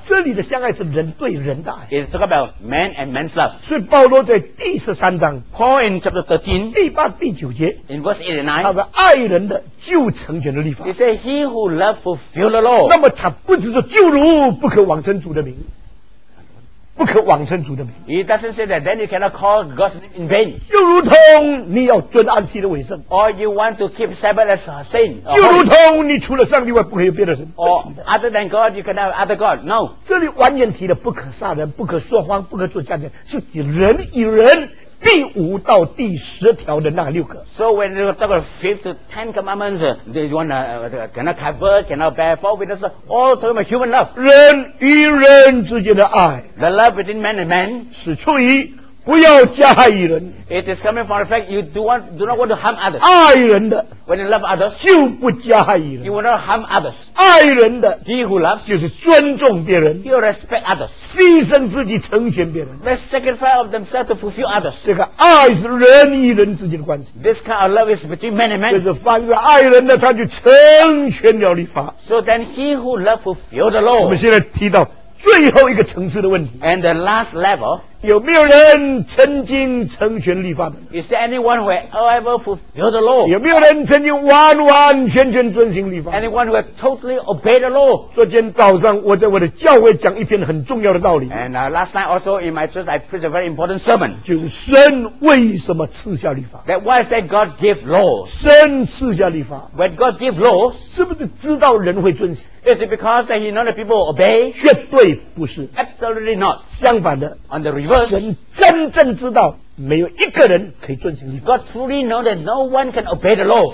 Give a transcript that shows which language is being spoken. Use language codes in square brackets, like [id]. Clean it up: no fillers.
[zh] 这里的相爱是人对人的爱。 [en] It's talk about man and man's love. [zh] 所以保罗在第十三章 [en] Paul in chapter 13, [zh] 第八第九节 [en] in verse 8 and 9, [zh] 他说爱人的就成全了律法。 [en] He said, he who loves fulfill the law. [zh] 那么他不是说就如不可往生主的名。不可往生主的名。 [en] He doesn't say that then you cannot call God's name in vain. [zh] 就如同你要遵安息的为圣。 [en] Or you want to keep Sabbath as a saint. [zh] 就如同你除了上帝外不可以有别的神。 [en] Or other than God, you cannot have other God. No. [zh] 这里完全提的不可杀人，不可说谎，不可做假见，是指人与人第五到第十条的那六个。 [en] So when you talk about fifth to ten commandments, they wanna, cannot cover, cannot bear false witness, all talking about human love. [zh] 人与人之间的爱。 [en] The love between man and man. [zh] 是出于不要加害于人。 [en] It is coming from the fact you do not want to harm others. [zh] 爱人的。 [en] When you love others. [zh] 就不加害于人。 [en] You will not harm others. [zh] 爱人的。 [en] He who loves. [zh] 就是尊重别人。 [en] You respect others. [zh] 牺牲自己成全别人。 [en] They sacrifice of themselves to fulfill others. [zh] 这个爱是人与人之间的关系。 [en] This kind of love is between man and man. [zh] 就是凡是爱人的他就成全了律法。 [en] So then he who loves fulfill the law. [zh] 我们现在提到最后一个层次的问题。 [en] And the last level. [zh] 有没有人曾经成全律法的 [en] Is there anyone who has ever fulfilled the law? [zh] 有没有人曾经完完全全遵行律法 [en] Anyone who has totally obeyed the law? [zh] 昨天早上我在我的教会讲一篇很重要的道理 [en] And last night also in my church I preached a very important sermon [zh] 就是神为什么赐下律法 [en] That why is that God give laws? [zh] 神赐下律法 [en] When God give laws [zh] 是不是知道人会遵行 [en] Is it because that he know that people obey? [zh] 绝对不是 [en] Absolutely not [zh] 相反的 [en] On the reverse [zh] 神真正知道没有一个人可以遵行律法 [en] God truly knows that no one can obey the law